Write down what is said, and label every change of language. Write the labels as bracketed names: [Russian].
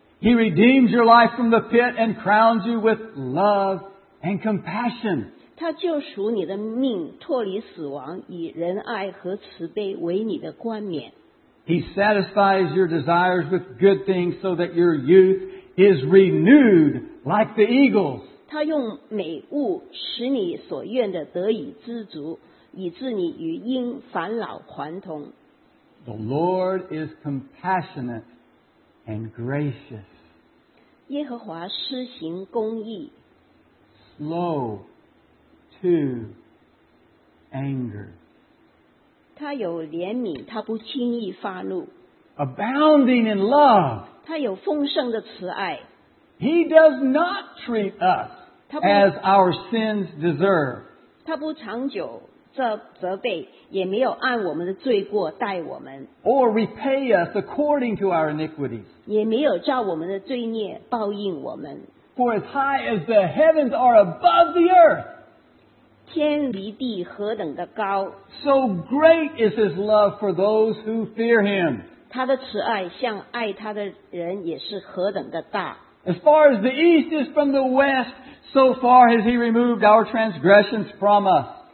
[English] He redeems your life from the pit and crowns you with love and compassion. [Chinese] 他救赎你的命,脱离死亡,以仁爱和慈悲为你的冠冕。 [English] He satisfies your desires with good things so that your youth is renewed like the eagles. [Chinese] 他用美物使你所愿的得以知足,以致你与鹰返老还童。 [English] The Lord is compassionate and gracious. [Chinese] 耶和华施行公义。 [English] Slow to anger. [Chinese] 他有怜悯，他不轻易发怒。 [English] Abounding in love. [Chinese] 他有丰盛的慈爱。 [English] He does not treat us as our sins deserve. [Chinese] 他不长久责备，也没有按我们的罪过待我们。 [English] Or repay us according to our iniquities. [Chinese] 也没有照我们的罪孽报应我们。 [English] For as high as the heavens are above the earth. [Chinese] 天离地何等的高。 [English] So great is his love for those who fear him. [Chinese] 他的慈爱像爱他的人也是何等的大。 [English] As far as the east is from the west, so far has he removed our transgressions from us.